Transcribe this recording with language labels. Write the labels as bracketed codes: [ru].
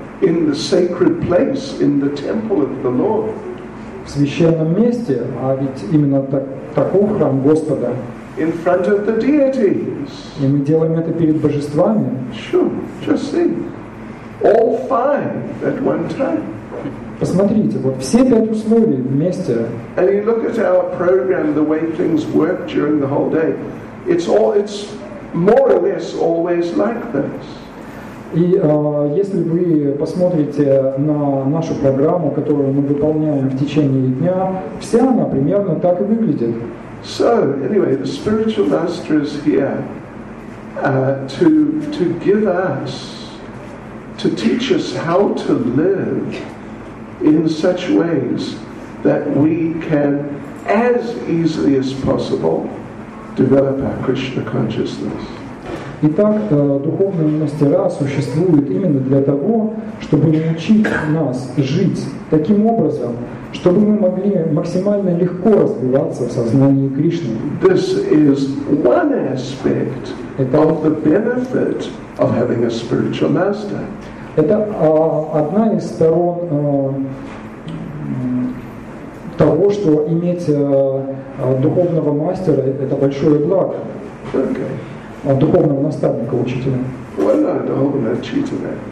[en] In the sacred place, in the temple of the Lord. [ru] В священном месте, а ведь именно таков храм Господа. [en] In front of the deities. [ru] И мы делаем это перед божествами. [en] Sure, just see. All five at one time. [ru] Посмотрите, вот все пять условий вместе. [en] And you look at our program, the way things work during the whole day. It's more or less always like this. [ru] И если вы посмотрите на нашу программу, которую мы выполняем в течение дня, вся она примерно так и выглядит. [en] So anyway, the spiritual master is here to give us. To teach us how to live in such ways that we can, as easily as possible, develop our Krishna consciousness. [ru] Итак, духовные мастера существуют именно для того, чтобы научить нас жить таким образом, чтобы мы могли максимально легко развиваться в сознании Кришны. [en] This is one aspect of the benefit of having a spiritual master. [ru] Это одна из сторон того, что иметь духовного мастера – это большое благо. [en] Okay. [ru] Духовного наставника, учителя. [en] Well, no, [ru] духовного учителя.